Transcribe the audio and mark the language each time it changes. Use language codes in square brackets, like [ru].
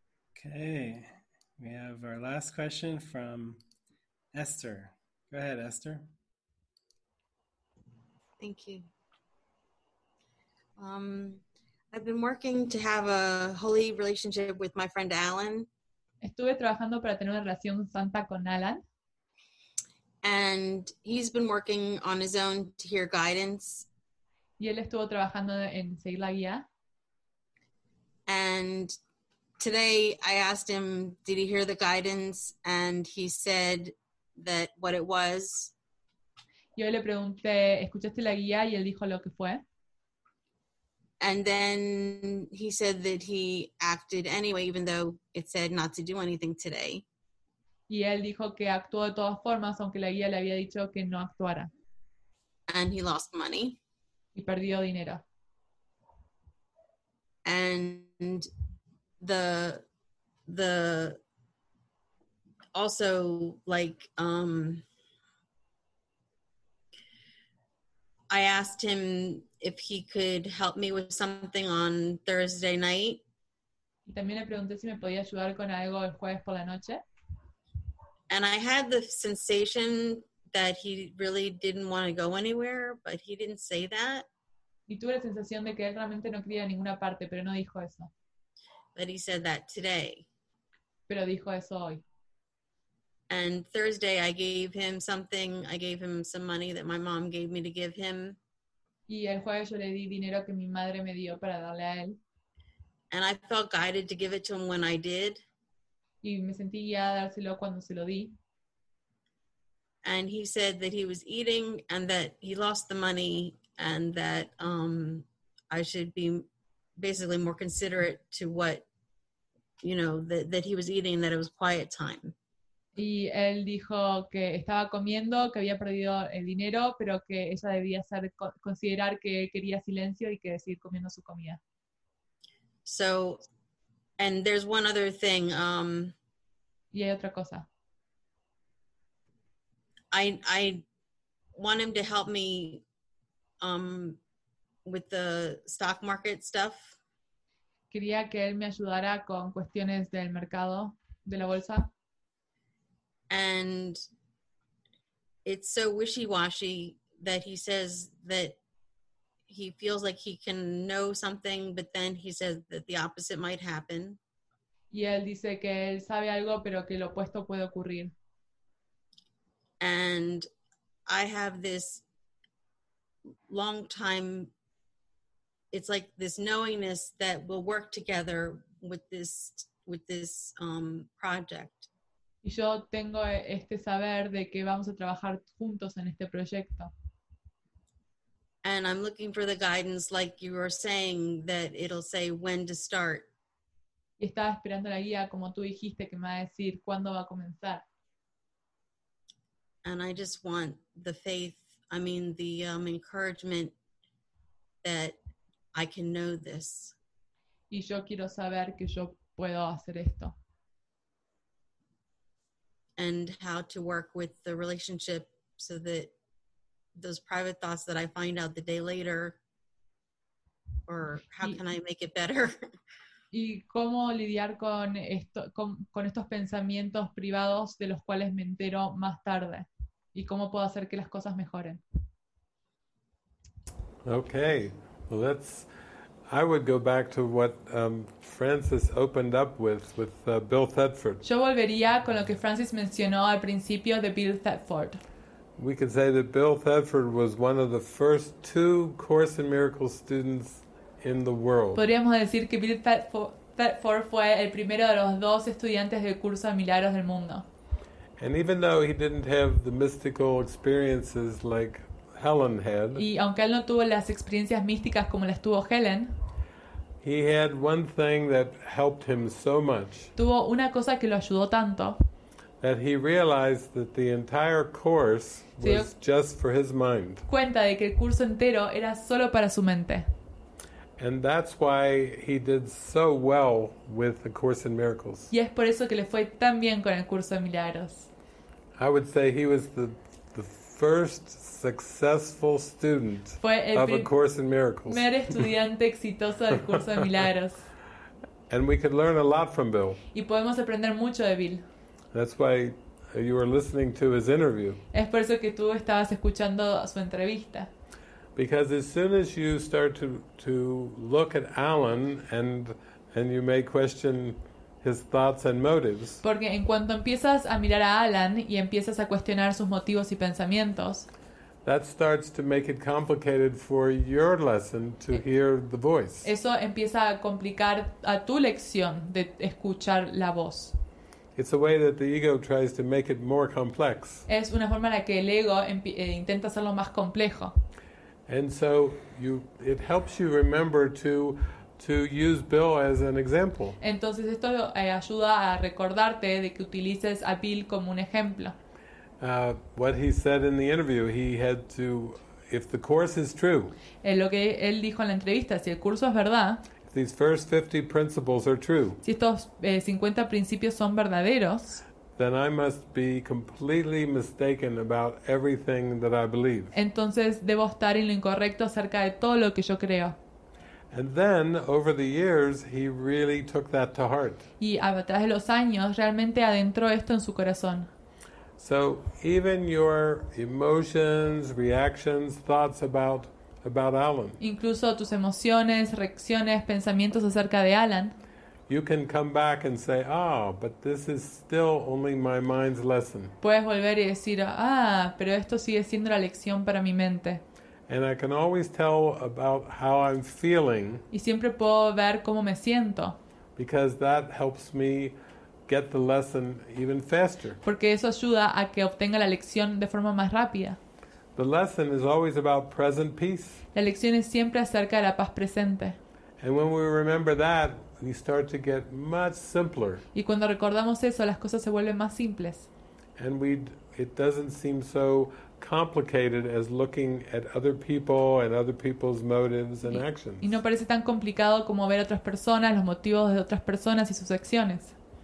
[en] Okay, we have our last question from Esther. Go ahead, Esther. Thank you. I've been working to have a holy relationship with my friend Alan. [es] Estuve trabajando para tener una relación santa con Alan. [en] And he's been working on his own to hear guidance. [es] Y él estuvo trabajando en seguir la guía. [en] And today I asked him, did he hear the guidance? And he said that what it was. [es] Yo le pregunté, ¿escuchaste la guía? Y él dijo lo que fue. [en] And then he said that he acted anyway, even though it said not to do anything today. [es] Y él dijo que actuó de todas formas, aunque la guía le había dicho que no actuara. [en] And he lost money. [es] Y perdió dinero. [en] And the also like I asked him if he could help me with something on Thursday night. [es] Y también le pregunté si me podía ayudar con algo el jueves por la noche. [en] And I had the sensation that he really didn't want to go anywhere, but he didn't say that. [es] Y tuve la sensación de que él realmente no quería a ninguna parte, pero no dijo eso. [en] But he said that today. [es] Pero dijo eso hoy. [en] And Thursday I gave him something, I gave him some money that my mom gave me to give him. [es] Y el jueves yo le di dinero que mi madre me dio para darle a él. [en] And I felt guided to give it to him when I did. [es] Y me sentí guiada a dárselo cuando se lo di. [en] And he said that he was eating and that he lost the money and that I should be basically more considerate to what, you know, that he was eating, that it was quiet time. [es] Y él dijo que estaba comiendo, que había perdido el dinero, pero que ella debía ser, considerar que quería silencio y que seguir comiendo su comida. [en] So, and there's one other thing. [es] Y hay otra cosa. [en] I want him to help me with the stock market stuff. [es] Quería que él me ayudara con cuestiones del mercado, de la bolsa. [en] And it's so wishy-washy that he says that he feels like he can know something, but then he says that the opposite might happen. [es] Y él dice que él sabe algo, pero que lo opuesto puede ocurrir. [en] And I have this long time, it's like this knowingness that will work together with this project. [es] Y yo tengo este saber de que vamos a trabajar juntos en este proyecto. [en] And I'm looking for the guidance, like you were saying, that it'll say when to start. [es] Y estaba esperando la guía, como tú dijiste, que me va a decir cuándo va a comenzar. [en] And I just want the faith, I mean the encouragement that I can know this. [es] Y yo quiero saber que yo puedo hacer esto. And how to work with the relationship so that those private thoughts that I find out the day later, or how can I make it better? Y cómo lidiar con esto, con estos pensamientos privados de los cuales me entero más tarde. ¿Y cómo puedo hacer que las cosas mejoren? [en] Okay, well, I would go back to what Francis opened up with Bill Thetford. [es] Yo volvería con lo que Francis mencionó al principio de Bill Thetford. [en] We can say that Bill Thetford was one of the first two Course in Miracles students in the world. [es] Podríamos decir que Bill Thetford fue el primero de los dos estudiantes del curso de milagros del mundo. [en] And even though he didn't have the mystical experiences like Helen had, [es] y aunque él no tuvo las experiencias místicas como las tuvo Helen, [en] he had one thing that helped him so much. [es] Tuvo una cosa que lo ayudó tanto. [en] That he realized that the entire course was just for his mind. [es] Cuenta de que el curso entero era solo para su mente. [en] And that's why he did so well with the Course in Miracles. [es] Y es por eso que le fue tan bien con el curso de milagros. [en] I would say he was the first successful student of a Course in Miracles. [es] Fue el primer estudiante exitoso del curso de milagros. [en] And we could learn a lot from Bill. [es] Y podemos aprender mucho de Bill. [en] That's why you were listening to his interview. [es] Es por eso que tú estabas escuchando su entrevista. [en] Because as soon as you start to look at Alan and you may question his thoughts and motives. [es] Porque en cuanto empiezas a mirar a Alan y empiezas a cuestionar sus motivos y pensamientos. [en] That starts to make it complicated for your lesson to hear the voice. [es] Eso empieza a complicar a tu lección de escuchar la voz. [en] It's a way that the ego tries to make it more complex. [es] Es una forma en la que el ego intenta hacerlo más complejo. [en] And so it helps you remember to use Bill as an example. [es] Entonces esto ayuda a recordarte de que utilices a Bill como un ejemplo. [en] What he said in the interview, he had to, if the course is true. [es] En lo que él dijo en la entrevista, si el curso es verdad. [en] These first 50 principles are true. [es] Si estos 50 principios son verdaderos. [en] Then I must be completely mistaken about everything that I believe. [es] Entonces debo estar en lo incorrecto acerca de todo lo que yo creo. [en] And then, over the years, he really took that to heart. [es] Y a través de los años, realmente adentró esto en su corazón. [en] So even your emotions, reactions, thoughts about Alan. [es] Incluso tus emociones, reacciones, pensamientos acerca de Alan. [en] You can come back and say, "Ah, oh, but this is still only my mind's lesson." [es] Puedes volver y decir, "Ah, pero esto sigue siendo la lección para mi mente." [en] And I can always tell about how I'm feeling. [es] Y siempre puedo ver cómo me siento. [en] Because that helps me get the lesson even faster. [es] Porque eso ayuda a que obtenga la lección de forma más rápida. [en] The lesson is always about present peace. [es] La lección es siempre acerca de la paz presente. [en] And when we remember that, we start to get much simpler. [es] Y cuando recordamos eso, las cosas se vuelven más simples. [en] And it doesn't seem so complicated as looking at other people and other people's motives and actions. [es] Y no parece tan complicado como ver a otras personas, los motivos de otras personas y sus acciones.